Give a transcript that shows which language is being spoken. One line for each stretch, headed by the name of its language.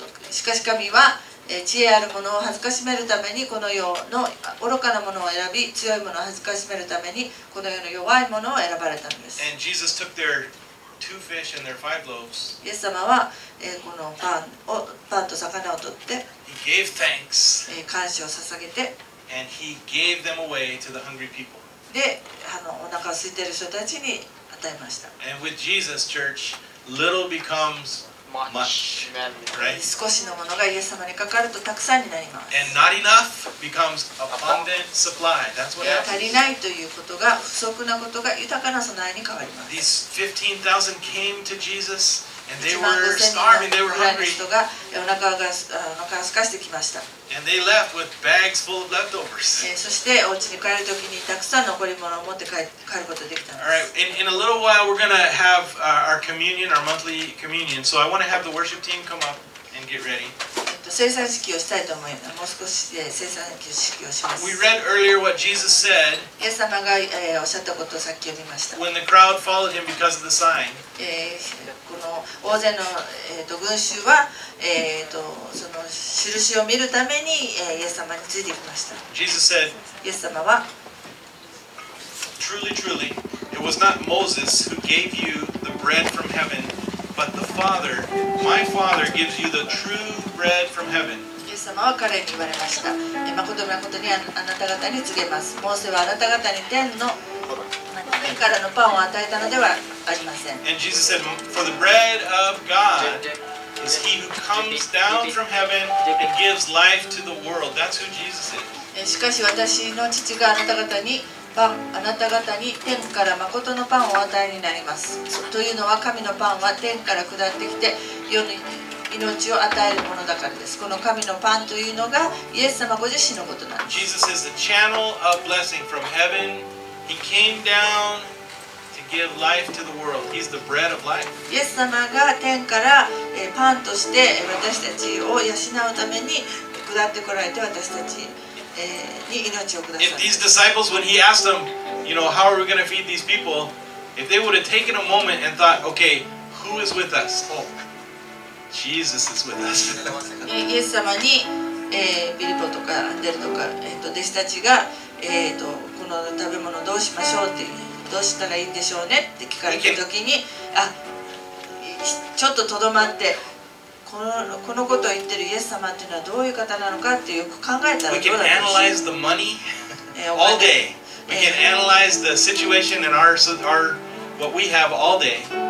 Japanese: しかし神は知恵ある者を辱めるためにこの世の愚かな者を選び、強い者を辱めるためにこの世の弱い者を選ばれたんです。
English: And Jesus took their two fish and their five loaves.
Japanese: イエス様はこのパンと魚を取って、
English: He gave thanks,
Japanese: 感謝を捧げて、
English: and he gave them away to the hungry people.
Japanese: で、お腹空いてる人たちに与えました。
English: And with Jesus, church, little becomes much, right?
Japanese: 少しのものがイエス様にかかるとたくさんになります。
English: And not enough becomes abundant supply. That's what happens.
Japanese: 足りないということが不足なことが豊かな備えに変わります。
English: These 15,000 came to Jesus. And they were starving, they were hungry.
Japanese: お腹が空かしてきました。
English: And they left with bags full of leftovers.
Japanese: そしてお家に帰るときにたくさん残り物を持って帰ることができたんです。
English: All right. In a little while, we're going to have our communion, our monthly communion. So I want to have the worship team come up and get ready.
Japanese: 聖餐式をしたいと思います。もう少しで聖餐式をします。
English: We read earlier what Jesus said.
Japanese: イエス様がおっしゃったことをさっき読みました。
English: When the crowd followed him because of the sign.
Japanese: 大勢の群衆はその印を見るためにイエス様についてきました。
English: Jesus said,
Japanese: イエス様は、
English: Truly, truly, it was not Moses who gave you the bread from heaven, but the Father, my Father, gives you the true bread from heaven.
Japanese: イエス様は彼に言われました。誠なことにあなた方に告げます。モーセはあなた方に天の天からのパンを与えたのではありません。
English: And Jesus said, for the bread of God is he who comes down from heaven and gives life to the world. That's who Jesus is.
Japanese: しかし私の父があなた方にパン、あなた方に天から誠のパンをお与えになります。というのは神のパンは天から下ってきて世に命を与えるものだからです。この神のパンというのがイエス様ご自身のことなんです。
English: Jesus is the channel of blessing from heaven. He came down to give life to the world. He's the bread of life.
Japanese: イエス様が天からパンとして私たちを養うために下ってこられて私たち
English: If these disciples, when he asked them, you know, how are we going to feed these people, if they would have taken a moment and thought, okay, who is with us? Oh, Jesus is with us.
Japanese: イエス様に、ピリポとかアンデルとか、弟子たちが、この食べ物どうしましょうって、どうしたらいいんでしょうねって聞かれた時に、あ、ちょっととどまって、このことを言ってるイエス様っていうのはどういう方なのかってよく考えたらどうだろう。
English: We can analyze the money all day. We can analyze the situation and our what we have all day.